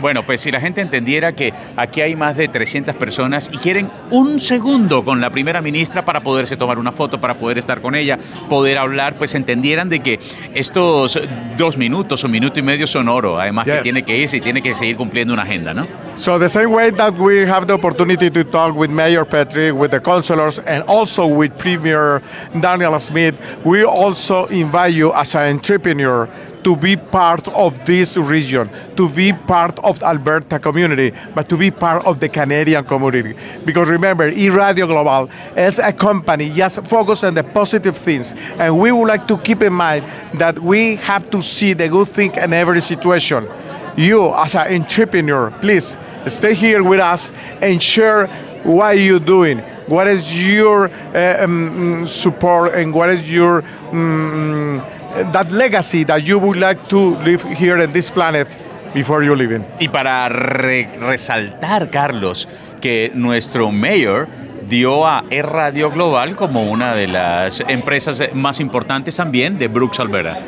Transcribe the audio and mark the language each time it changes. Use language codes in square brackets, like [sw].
[es] Bueno, pues si la gente entendiera que aquí hay más de 300 personas y quieren un segundo con la primera ministra para poderse tomar una foto, para poder estar con ella, poder hablar, pues entendieran de que estos dos minutos o minuto y medio son oro, además que tiene que irse y tiene que seguir cumpliendo una agenda, ¿no? [en] So the same way that we have the opportunity to talk with Mayor Petrie, with the councillors, and also with Premier Danielle Smith, we also invite you as an entrepreneur to be part of this region, to be part of the Alberta community, but to be part of the Canadian community. Because remember, eRadio Global is a company just focused on the positive things. And we would like to keep in mind that we have to see the good thing in every situation. You, as an entrepreneur, please stay here with us and share what you're doing. What is your support and what is your that legacy that you would like to live here in this planet before you leave? [es] Y para resaltar, Carlos, que nuestro mayor dio a eRadio Global como una de las empresas más importantes también de Brooks, Alberta.